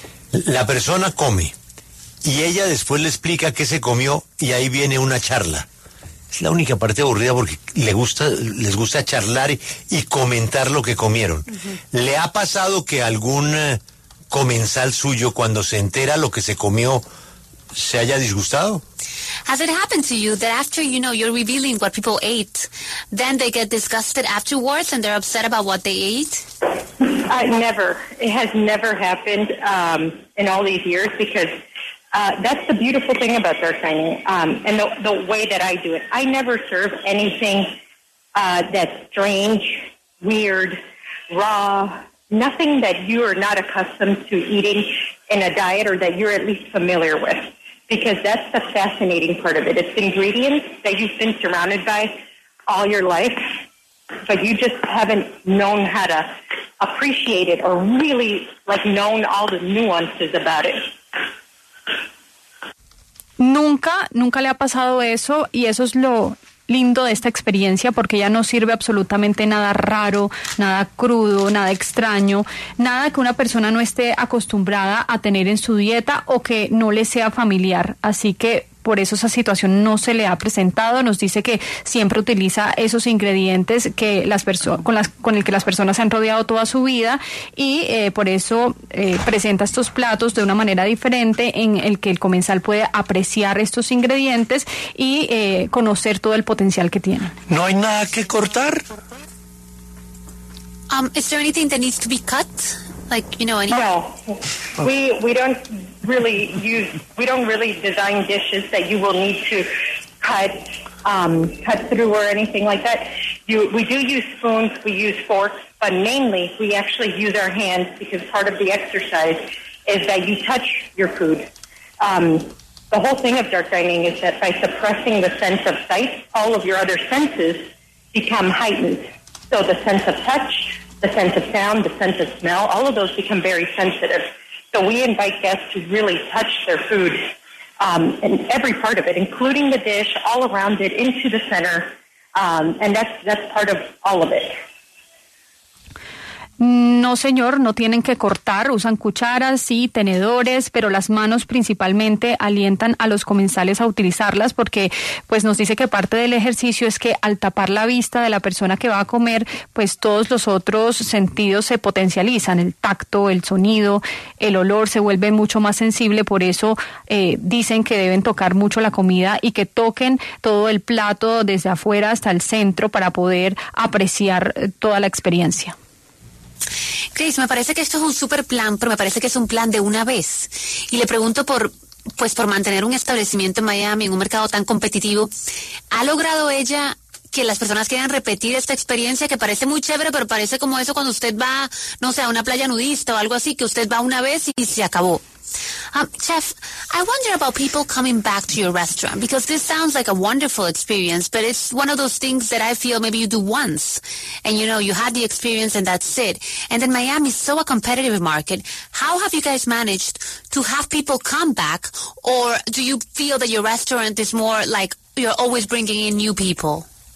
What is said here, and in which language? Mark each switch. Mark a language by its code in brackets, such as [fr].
[es] La persona come y ella después le explica qué se comió y ahí viene una charla. Es la única parte aburrida porque les gusta charlar y comentar lo que comieron. Uh-huh. ¿Le ha pasado que algún comensal suyo, cuando se entera lo que se comió, se haya disgustado? [en] Has it happened to you that after, you know, you're revealing what people ate, then they get disgusted afterwards and they're upset about what they ate? Never. It has never happened in all these years because that's the beautiful thing about dark dining, and the way that I do it. I never serve anything that's strange, weird, raw, nothing that you are not accustomed to eating in a diet or that you're at least familiar with, because that's the fascinating part of it. It's ingredients that you've been surrounded by all your life, but you just haven't known how to appreciate it or really, like, known all the nuances about it. [es] Nunca le ha pasado eso, y eso es lo lindo de esta experiencia, porque ya no sirve absolutamente nada raro, nada crudo, nada extraño, nada que una persona no esté acostumbrada a tener en su dieta o que no le sea familiar. Así que por eso esa situación no se le ha presentado. Nos dice que siempre utiliza esos ingredientes que con el que las personas se han rodeado toda su vida, y por eso presenta estos platos de una manera diferente, en el que el comensal puede apreciar estos ingredientes y conocer todo el potencial que tienen. ¿No hay nada que cortar? [en] Is there anything that needs to be cut? Like, you know, No. We don't really design dishes that you will need to cut through or anything like that. We do use spoons, we use forks, but mainly we actually use our hands, because part of the exercise is that you touch your food. The whole thing of dark dining is that by suppressing the sense of sight, all of your other senses become heightened. So the sense of touch, the sense of sound, the sense of smell, all of those become very sensitive. So we invite guests to really touch their food and every part of it, including the dish, all around it, into the center. And that's part of all of it. [es] No, señor, no tienen que cortar, usan cucharas, sí, tenedores, pero las manos principalmente alientan a los comensales a utilizarlas, porque pues nos dice que parte del ejercicio es que al tapar la vista de la persona que va a comer, pues todos los otros sentidos se potencializan, el tacto, el sonido, el olor se vuelve mucho más sensible. Por eso dicen que deben tocar mucho la comida y que toquen todo el plato desde afuera hasta el centro para poder apreciar toda la experiencia. Chris, me parece que esto es un super plan, pero me parece que es un plan de una vez. Y le pregunto por mantener un establecimiento en Miami, en un mercado tan competitivo. ¿Ha logrado ella que las personas quieran repetir esta experiencia, que parece muy chévere, pero parece como eso cuando usted va, no sé, a una playa nudista o algo así, que usted va una vez y se acabó? [en] Chef, I wonder about people coming back to your restaurant, because this sounds like a wonderful experience, but it's one of those things that I feel maybe you do once. And, you know, you had the experience and that's it. And then Miami is so a competitive market. How have you guys managed to have people come back? Or do you feel that your restaurant is more like you're always bringing in new people?